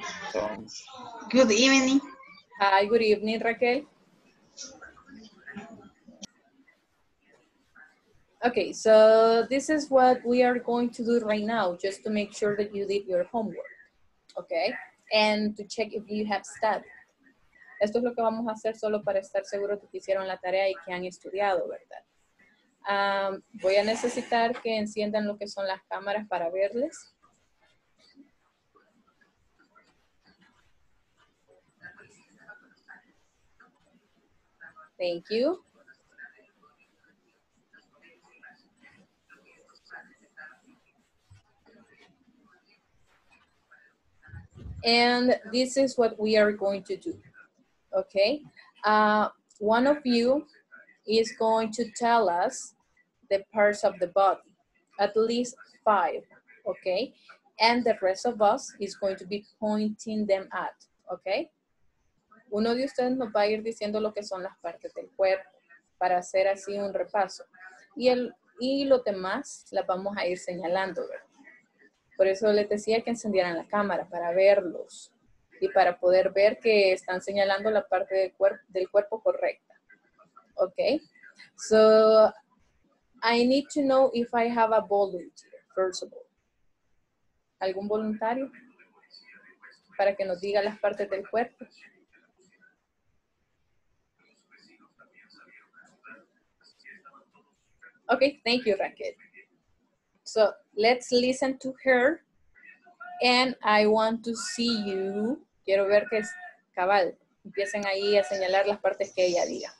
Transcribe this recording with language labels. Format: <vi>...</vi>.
<en>Tongue. Good evening. Hi, good evening, Raquel. Okay, so this is what we are going to do right now, just to make sure that you did your homework. Okay? And to check if you have studied.</en> <es>Esto es lo que vamos a hacer solo para estar seguros de que hicieron la tarea y que han estudiado, ¿verdad? Voy a necesitar que enciendan lo que son las cámaras para verles.</es> <en>Thank you. And this is what we are going to do, okay? One of you is going to tell us the parts of the body, at least 5, okay? And the rest of us is going to be pointing them at, okay?</en> <es>Uno de ustedes nos va a ir diciendo lo que son las partes del cuerpo para hacer así un repaso. Y los demás las vamos a ir señalando, ¿verdad? Por eso les decía que encendieran la cámara para verlos y para poder ver que están señalando la parte del cuerpo correcta. Okay?</es> <en>So, I need to know if I have a volunteer, first of all.</en> <es>¿Algún voluntario? Para que nos diga las partes del cuerpo.</es> <en>Okay, thank you, Raquel. So, let's listen to her, and I want to see you.</en> <es>Quiero ver que es cabal. Empiecen ahí a señalar las partes que ella diga.</es>